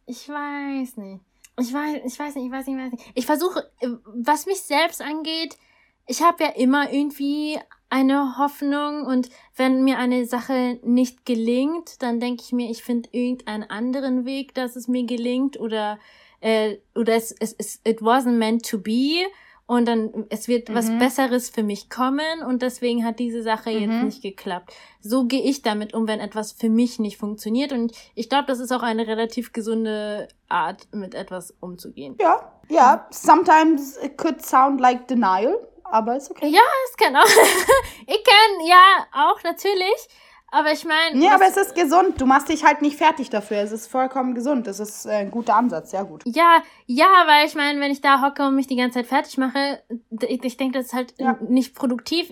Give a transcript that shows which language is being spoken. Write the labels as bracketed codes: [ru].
[de] Ich versuche, was mich selbst angeht, ich habe ja immer irgendwie eine Hoffnung und wenn mir eine Sache nicht gelingt, dann denke ich mir, ich finde irgendeinen anderen Weg, dass es mir gelingt oder [en] it wasn't meant to be [de] und dann es wird was Besseres für mich kommen und deswegen hat diese Sache jetzt nicht geklappt. So gehe ich damit um, wenn etwas für mich nicht funktioniert und ich glaube, das ist auch eine relativ gesunde Art, mit etwas umzugehen. Ja, ja. [en] Sometimes it could sound like denial. [de] Aber ist okay. Ja, es kann auch. Ich kann, ja, auch natürlich. Aber ich meine. Nee, aber es ist gesund. Du machst dich halt nicht fertig dafür. Es ist vollkommen gesund. Es ist ein guter Ansatz. Sehr gut. Ja, ja, weil ich meine, wenn ich da hocke und mich die ganze Zeit fertig mache, ich denke, das ist halt nicht produktiv.